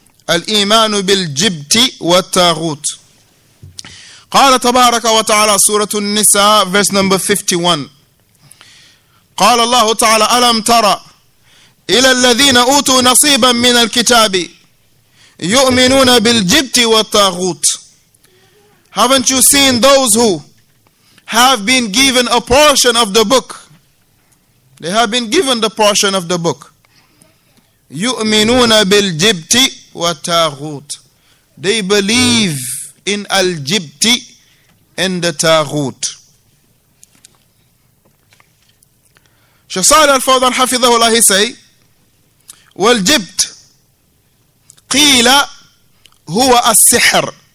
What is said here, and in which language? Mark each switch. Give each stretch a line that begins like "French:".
Arabic: الإيمان بالجبت والتاغوت. قال تبارك وتعالى سورة النساء
English: verse number 51.
Arabic: قال الله تعالى ألم ترى إلى الذين أوتوا نصيبا من الكتاب يؤمنون بالجبت والتاغوت.
English: Haven't you seen those who have been given a portion of the book? They have been given the portion of the book.
Arabic: يؤمنون بالجبت والتاغوت.
English: They believe in الجبت and the تاغوت.
Arabic: شصال الفوضان حفظه الله سي والجبت قيل هو السحر.